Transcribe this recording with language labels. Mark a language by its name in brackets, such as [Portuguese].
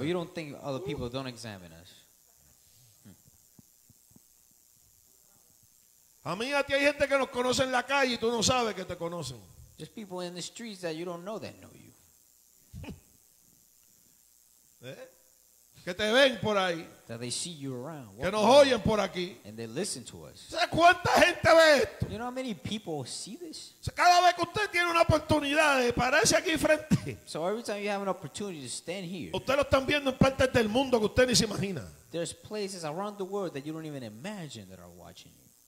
[English] Or you don't think other people don't examine us? [Spanish] A mí a ti hay gente que nos conoce en la calle y tú no sabes que te conocen. [English] There's people in the streets that you don't know that know you. [Spanish] ¿Eh? Que te ven por ahí. [English] That they see you around. [Spanish] Que nos oyen por aquí. [English] And they listen to us. [Spanish] ¿Sabes cuánta gente ve esto? [English] You know how many people see this? [Spanish] Cada vez que usted tiene una oportunidad de pararse aquí frente. [English] So every time you have an opportunity to stand here. [Spanish] Usted lo están viendo en partes del mundo que usted ni se imagina. [English] There's places around the world that you don't even imagine that are watching you.